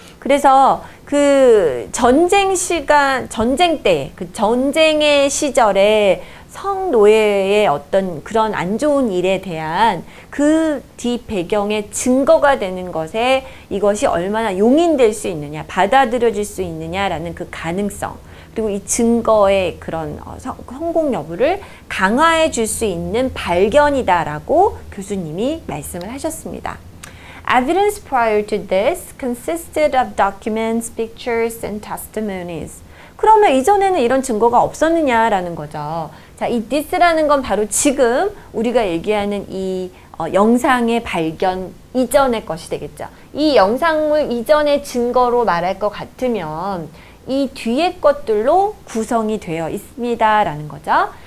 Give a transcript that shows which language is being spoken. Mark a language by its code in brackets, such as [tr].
[ko] 그래서 그 전쟁 시간, 전쟁 때, 그 전쟁의 시절에 성노예의 어떤 그런 안 좋은 일에 대한 그 뒷배경의 증거가 되는 것에 이것이 얼마나 용인될 수 있느냐, 받아들여질 수 있느냐라는 그 가능성, 그리고 이 증거의 그런 성공 여부를 강화해 줄 수 있는 발견이다라고 교수님이 말씀을 하셨습니다. [en] Evidence prior to this consisted of documents, pictures, and testimonies. [ko] 그러면 이전에는 이런 증거가 없었느냐라는 거죠. 자, 이 this라는 건 바로 지금 우리가 얘기하는 이 영상의 발견 이전의 것이 되겠죠. 이 영상물 이전의 증거로 말할 것 같으면 이 뒤에 것들로 구성이 되어 있습니다라는 거죠.